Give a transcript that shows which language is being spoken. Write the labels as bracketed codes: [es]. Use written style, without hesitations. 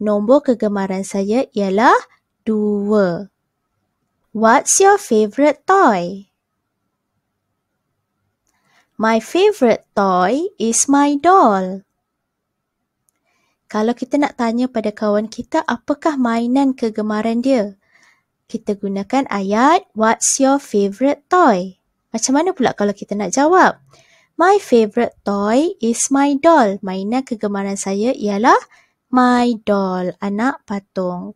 [ms] Nombor kegemaran saya ialah 2. [en] What's your favorite toy? My favorite toy is my doll. [ms] Kalau kita nak tanya pada kawan kita apakah mainan kegemaran dia, kita gunakan ayat [en] what's your favorite toy? [ms] Macam mana pula kalau kita nak jawab? [en] My favorite toy is my doll. [ms] Mainan kegemaran saya ialah [en] my doll, [ms] anak patung.